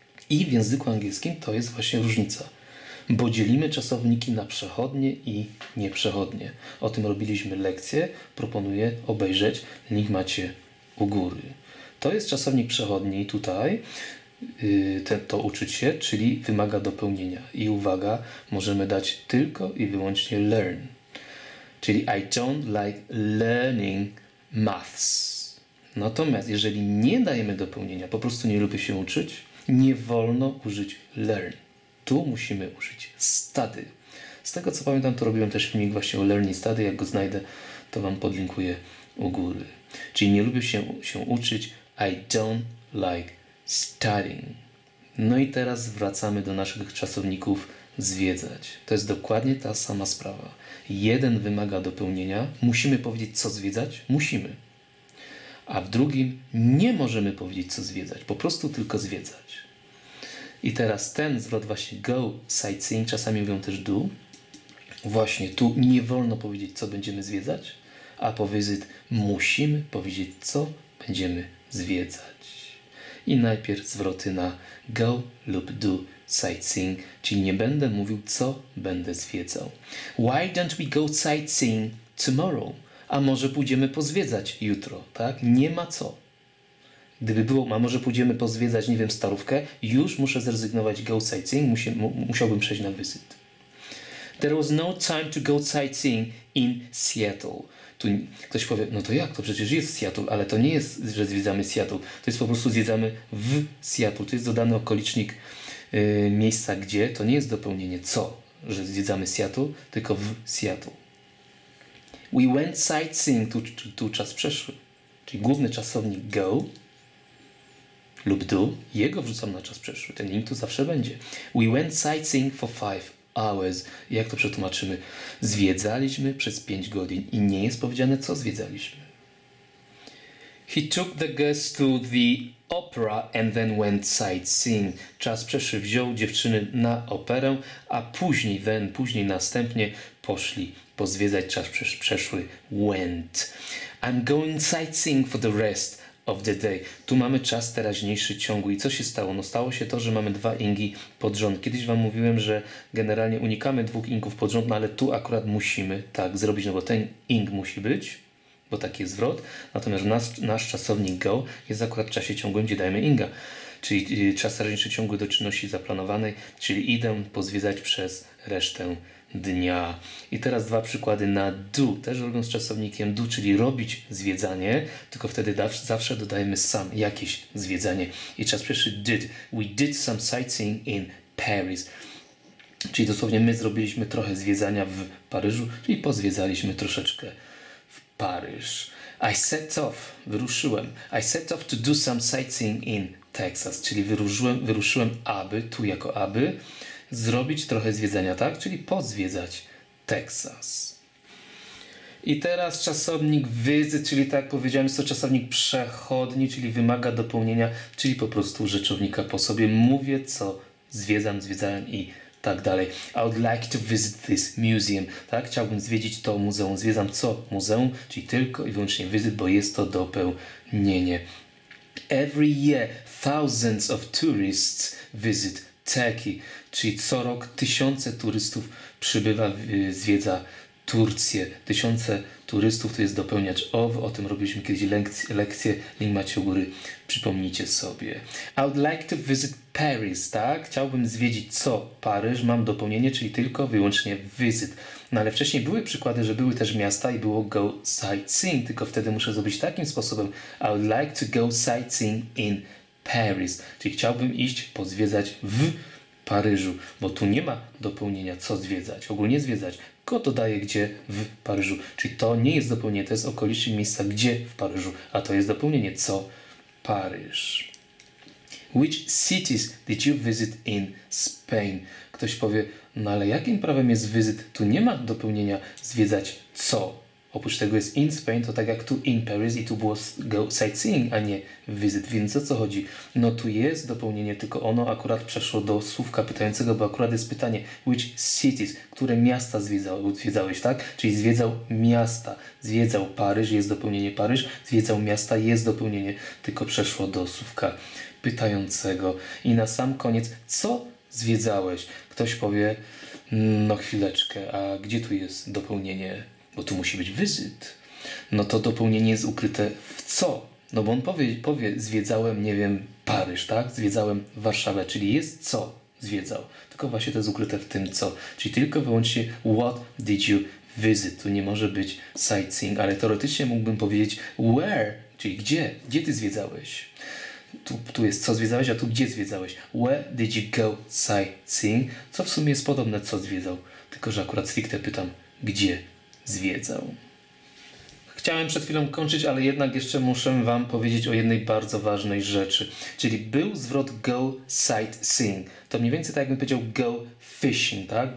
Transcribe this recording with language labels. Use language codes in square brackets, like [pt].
[pl] I w języku angielskim to jest właśnie różnica. Bo dzielimy czasowniki na przechodnie i nieprzechodnie. O tym robiliśmy lekcję. Proponuję obejrzeć. Link macie u góry. To jest czasownik przechodni tutaj. To uczyć się, czyli wymaga dopełnienia. I uwaga, możemy dać tylko i wyłącznie learn. [en] Czyli I don't like learning maths. [pl] Natomiast jeżeli nie dajemy dopełnienia, po prostu nie lubię się uczyć, nie wolno użyć learn. Tu musimy użyć study. Z tego co pamiętam, to robiłem też filmik właśnie o learning study. Jak go znajdę, to wam podlinkuję u góry. Czyli nie lubię się uczyć. [en] I don't like studying. [pl] No i teraz wracamy do naszych czasowników zwiedzać. To jest dokładnie ta sama sprawa. Jeden wymaga dopełnienia. Musimy powiedzieć, co zwiedzać? Musimy. A w drugim nie możemy powiedzieć, co zwiedzać. Po prostu tylko zwiedzać. I teraz ten zwrot właśnie go sightseeing, czasami mówią też do. Właśnie tu nie wolno powiedzieć, co będziemy zwiedzać, a po visit musimy powiedzieć, co będziemy zwiedzać. I najpierw zwroty na go lub do sightseeing, czyli nie będę mówił, co będę zwiedzał. [en] Why don't we go sightseeing tomorrow? [pl] A może pójdziemy pozwiedzać jutro, tak? Nie ma co. Gdyby było, a może pójdziemy pozwiedzać, nie wiem, starówkę, już muszę zrezygnować go sightseeing, musiałbym przejść na visit. [en] There was no time to go sightseeing in Seattle. [pl] Tu ktoś powie, no to jak, to przecież jest Seattle, ale to nie jest, że zwiedzamy Seattle, to jest po prostu zwiedzamy w Seattle. To jest dodany okolicznik miejsca gdzie, to nie jest dopełnienie co, że zwiedzamy Seattle, tylko w Seattle. [en] We went sightseeing, [pl] tu czas przeszły, czyli główny czasownik go lub do, jego wrzucam na czas przeszły, ten link tu zawsze będzie. [en] We went sightseeing for 5 hours. [pl] Jak to przetłumaczymy? Zwiedzaliśmy przez 5 godzin i nie jest powiedziane, co zwiedzaliśmy. [en] He took the guests to the opera and then went sightseeing. [pl] Czas przeszły, wziął dziewczyny na operę, a później, then, później, następnie poszli pozwiedzać. Czas przeszły, went. [en] I'm going sightseeing for the rest of the day. [pl] Tu mamy czas teraźniejszy ciągły. I co się stało? No stało się to, że mamy dwa ingi pod rząd. Kiedyś wam mówiłem, że generalnie unikamy dwóch ingów pod rząd, no ale tu akurat musimy tak zrobić, no bo ten ing musi być, bo taki jest zwrot. Natomiast nasz czasownik go jest akurat w czasie ciągłym, gdzie dajemy inga. Czyli czas teraźniejszy ciągły do czynności zaplanowanej, czyli idę pozwiedzać przez resztę dnia. I teraz dwa przykłady na do, też robią z czasownikiem do, czyli robić zwiedzanie, tylko wtedy zawsze dodajemy sam jakieś zwiedzanie. I czas pierwszy did. [en] We did some sightseeing in Paris. [pl] Czyli dosłownie my zrobiliśmy trochę zwiedzania w Paryżu, czyli pozwiedzaliśmy troszeczkę w Paryż. [en] I set off, [pl] wyruszyłem. [en] I set off to do some sightseeing in Texas, [pl] czyli wyruszyłem aby, tu jako aby, zrobić trochę zwiedzania, tak? Czyli pozwiedzać Texas. I teraz czasownik wyzy, czyli tak jak powiedziałem, jest to czasownik przechodni, czyli wymaga dopełnienia, czyli po prostu rzeczownika po sobie. Mówię co zwiedzam, zwiedzałem i tak dalej. [en] I would like to visit this museum. [pl] Tak? Chciałbym zwiedzić to muzeum. Zwiedzam co muzeum, czyli tylko i wyłącznie visit, bo jest to dopełnienie. [en] Every year thousands of tourists visit Turkey. [pl] Czyli co rok tysiące turystów przybywa, zwiedza Turcję. Tysiące turystów to jest dopełniacz of. O tym robiliśmy kiedyś lekcję. Link macie u góry. Przypomnijcie sobie. [en] I would like to visit Paris, tak? [pl] Chciałbym zwiedzić co? Paryż. Mam dopełnienie, czyli tylko wyłącznie visit. No ale wcześniej były przykłady, że były też miasta i było go sightseeing, tylko wtedy muszę zrobić takim sposobem. [en] I would like to go sightseeing in Paris. [pl] Czyli chciałbym iść pozwiedzać w Paryżu, bo tu nie ma dopełnienia co zwiedzać. Ogólnie zwiedzać. Go dodaję gdzie w Paryżu. Czyli to nie jest dopełnienie, to jest okolicznie miejsca gdzie w Paryżu, a to jest dopełnienie co Paryż. [en] Which cities did you visit in Spain? [pl] Ktoś powie, no ale jakim prawem jest visit? Tu nie ma dopełnienia zwiedzać co. Oprócz tego jest in Spain, to tak jak tu in Paris i tu było go sightseeing, a nie visit. Więc o co chodzi? No tu jest dopełnienie, tylko ono akurat przeszło do słówka pytającego, bo akurat jest pytanie, [en] which cities, [pl] które miasta zwiedzałeś, tak? Czyli zwiedzał miasta, zwiedzał Paryż, jest dopełnienie Paryż, zwiedzał miasta, jest dopełnienie, tylko przeszło do słówka pytającego. I na sam koniec, co zwiedzałeś? Ktoś powie, no chwileczkę, a gdzie tu jest dopełnienie? Bo tu musi być visit. No to dopełnienie jest ukryte w co? No bo on powie, zwiedzałem, nie wiem, Paryż, tak? Zwiedzałem Warszawę, czyli jest co zwiedzał. Tylko właśnie to jest ukryte w tym co. Czyli tylko wyłącznie [en] what did you visit. [pl] Tu nie może być sightseeing, ale teoretycznie mógłbym powiedzieć where, czyli gdzie? Gdzie ty zwiedzałeś? Tu jest co zwiedzałeś, a tu gdzie zwiedzałeś? [en] Where did you go sightseeing? [pl] Co w sumie jest podobne co zwiedzał, tylko że akurat stricte pytam gdzie zwiedzał. Chciałem przed chwilą kończyć, ale jednak jeszcze muszę wam powiedzieć o jednej bardzo ważnej rzeczy. Czyli był zwrot go sightseeing. To mniej więcej tak jakbym powiedział go fishing, tak?